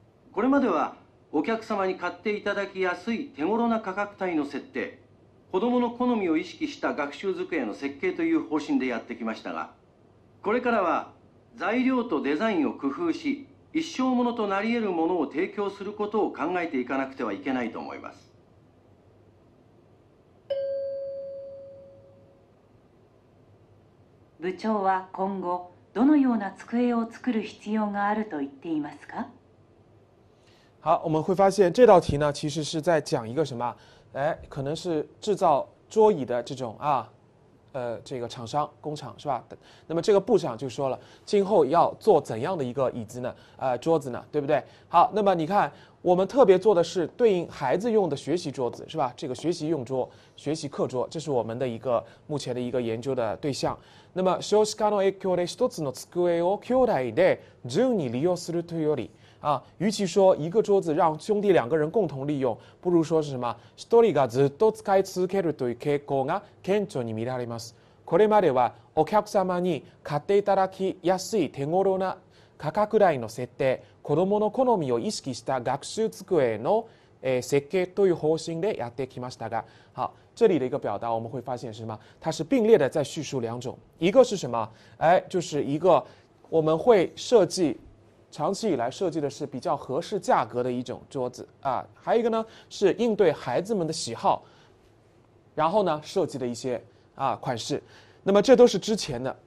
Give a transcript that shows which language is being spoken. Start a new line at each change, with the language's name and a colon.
Japanese: これまではお客様に買っていただきやすい手頃な価格帯の設定、子供の好みを意識した学習机の設計という方針でやってきましたが、これからは材料とデザインを工夫し、一生ものとなり得るものを提供することを考えていかなくてはいけないと思います。部長は今後どのような机を作る必要があると言っていますか？
Chinese: 好，我们会发现这道题呢，其实是在讲一个什么？哎，可能是制造桌椅的这种啊。这个厂商工厂是吧？那么这个部长就说了，今后要做怎样的一个椅子呢？桌子呢？对不对？好，那么你看，我们特别做的是对应孩子用的学习桌子是吧？这个学习用桌、学习课桌，这是我们的一个目前的一个研究的对象。那么
Japanese: 少子化の影響で一つの机を兄弟で順に利用するというより。
Chinese: 啊，与其说一个桌子让兄弟两个人共同利用，不如说是什么？
Japanese: 一人がずっと使い続けるという傾向が顕著に見られます。これまではお客様に買っていただきやすい手頃な価格帯の設定、子どもの好みを意識した学習机の設計という方針でやってきましたが、
Chinese: 好，这里的一个表达我们会发现是什么？它是并列的在叙述两种，一个是什么？哎，就是一个我们会设计。长期以来设计的是比较合适价格的一种桌子啊，还有一个呢是应对孩子们的喜好，然后呢设计的一些啊款式，那么这都是之前的。